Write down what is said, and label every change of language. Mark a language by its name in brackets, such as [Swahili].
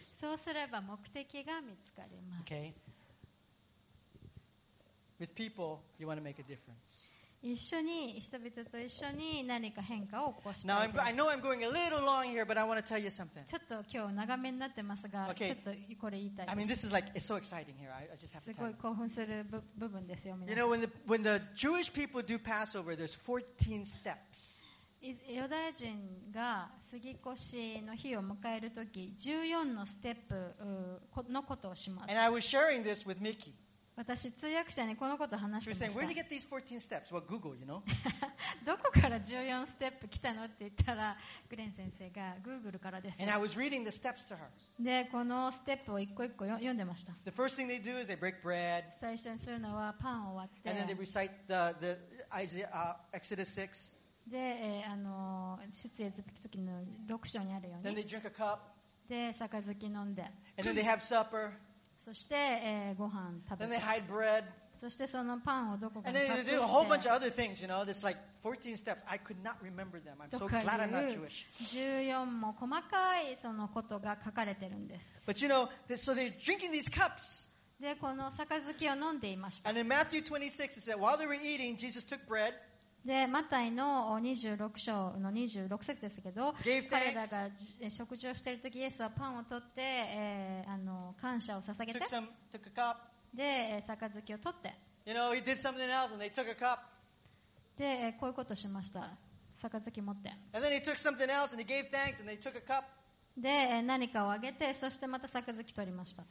[Japanese] そうすれば目的が見つかります。 [English] Okay. With people, you want to make a difference. [Japanese] 一緒に人々と一緒に何か変化を起こしたい。 [English] Now I know I'm going a little long here, but I want to tell you something. [Japanese] ちょっと今日長めになってますが、ちょっとこれ言いたい。 [English] I mean, this is like it's so exciting here. I just have to. [Japanese] すごい興奮する部分ですよ。 [English] You know, when the Jewish people do Passover, there's 14 steps. [Japanese] ユダヤ人が過ぎ越しの日を迎えるとき14のステップのことをします。 [English] And I was sharing this with Mickey. [Japanese] 私通訳者にこのことを話してました。 [English] She was saying, where did you get these 14 steps? Well, Google, you know? [Japanese] どこから14ステップ来たのって言ったらグレン先生が Google からです。 [English] And I was reading the steps to her. [Japanese] で、このステップを一個一個読んでました。 [English] The first thing they do is they break bread. [Japanese] 最初にするのはパンを割って。 [English] And then they recite the Exodus 6. [Japanese] で、出エジプト記の6章にあるように。 [English] Then they drink a cup. [Japanese] で、杯飲んで。 [English] And then they have supper. [Japanese] そして、ご飯食べて。 [English] Then they hide bread. [Japanese] そしてそのパンをどこかに隠して。 [English] And then they do a whole bunch of other things, you know. It's like 14 steps. I could not remember them. I'm so glad I'm not Jewish. [Japanese] 14も細かいそのことが書かれてるんです。 [English] But you know, so they're drinking these cups. [Japanese] で、この杯を飲んでいました。 [English] And in Matthew 26, it said, while they were eating, Jesus took bread. [Japanese] でマタイの26章の26節ですけど、彼らが食事をしているとき、イエスはパンを取って、感謝を捧げて、で杯を取って、 [English] you know, he did something else and they took a cup. [Japanese] でこういうことをしました。杯持って。 [English] And then he took something else and he gave thanks and they took a cup. [Japanese] で何かをあげて、そしてまた杯取りました。